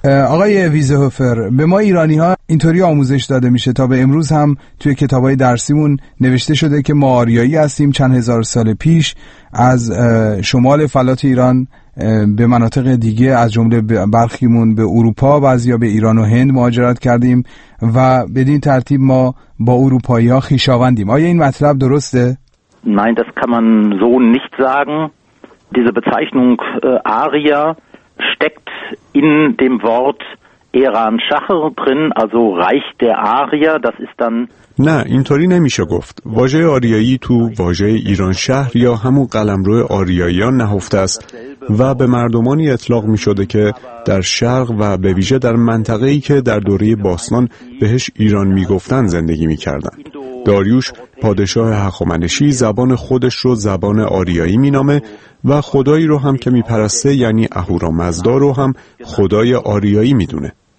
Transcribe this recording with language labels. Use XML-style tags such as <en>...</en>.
<fa>آقای ویزهوفر، به ما ایرانی‌ها اینطوری آموزش داده میشه تا به امروز هم توی کتاب‌های درسیمون نوشته شده که ما آریایی هستیم، چند هزار سال پیش از شمال فلات ایران به مناطق دیگه از جمله برخیمون به اروپا و از یا به ایران و هند مهاجرت کردیم و بدین ترتیب ما با اروپایی‌ها خویشاوندیم. آیا این مطلب درسته؟</fa> <de>Nein, das kann man so nicht sagen. Diese Bezeichnung Arya steckt in dem Wort Iran Schacher drin, also Reich der Arya, das ist dann</de> <fa>نه، اینطوری نمیشه گفت. واژه آریایی تو واژه ایران شهر یا همون قلمرو آریاییان نهفته است و به مردمانی اطلاق میشده که در شرق و به ویژه در منطقه‌ای که در دوره باستان بهش ایران میگفتن زندگی میکردن. داریوش پادشاه هخامنشی زبان خودش رو زبان آریایی مینامه و خدایی رو هم که میپرسته یعنی اهورامزدا رو هم خدای آریایی میدونه.</fa>